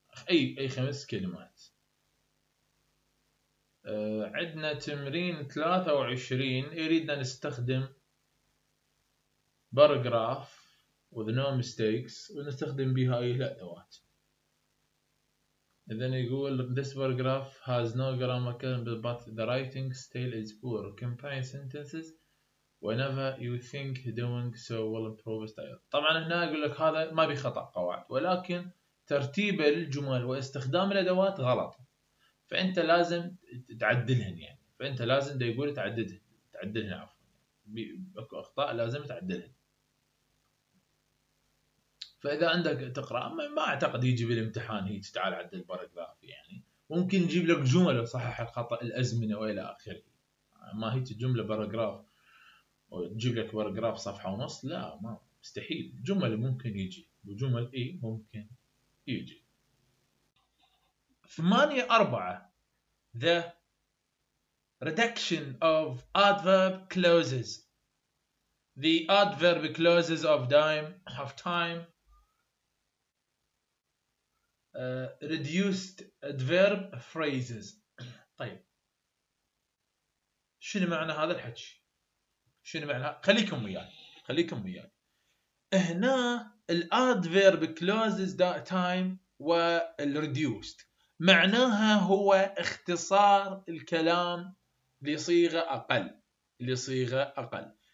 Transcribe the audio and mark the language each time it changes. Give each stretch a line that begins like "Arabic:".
Arabic: أي خمس كلمات. عندنا تمرين 23 يريدنا نستخدم باراجراف
English: with no mistakes
Arabic: ونستخدم بها أي الأدوات. إذن يقول
English: this paragraph has no grammar but the writing style is poor. Combine sentences whenever you think doing so will improve style.
Arabic: طبعا هنا يقول لك هذا ما بيخطأ قواعد ولكن ترتيب الجمل واستخدام الأدوات غلط فأنت لازم تعدلهن يعني فأنت لازم دي يقول تعدلهن عفوا أكو أخطاء لازم تعدلهن. فإذا عندك تقرأ ما أعتقد يجي بالامتحان هي تعال عدل الباراجراف يعني ممكن يجيب لك جملة صحح الخطأ الأزمنة وإلى آخره ما هي جملة باراجراف وتجيب لك باراجراف صفحة ونص لا ما مستحيل جمل ممكن يجي وجمل إيه ممكن يجي.
English: 8-4 The reduction of adverb clauses The adverb clauses of time of time reduced adverb phrases.
Arabic: طيب شنو معنى هذا الحكي شنو معنى خليكم وياي خليكم وياي هنا الادفيرب كلوزز ذا تايم والريديوست معناها هو اختصار الكلام لصيغه اقل لصيغه اقل.